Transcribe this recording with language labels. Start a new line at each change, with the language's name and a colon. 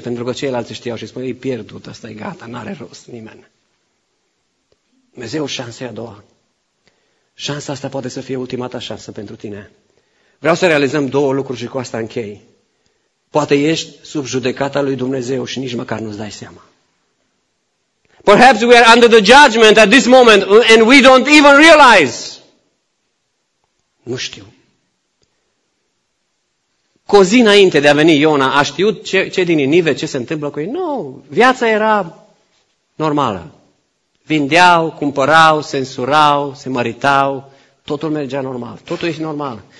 Romanian: Pentru că ceilalți știau și spune, e pierdut, asta e gata, n-are rost nimeni. Dumnezeu, șansa e a doua. Șansa asta poate să fie ultima ta șansă pentru tine. Vreau să realizăm două lucruri și cu asta închei. Poate ești sub judecata lui Dumnezeu și nici măcar nu-ți dai seama.
English: Perhaps we are under the judgment at this moment and we don't even realize.
Romanian: Nu știu. Cu o zi înainte de a veni Iona, a știut ce din Ninive, ce se întâmplă cu ei? Nu, viața era normală. Vindeau, cumpărau, censurau, se măritau, totul mergea normal, totul este normal.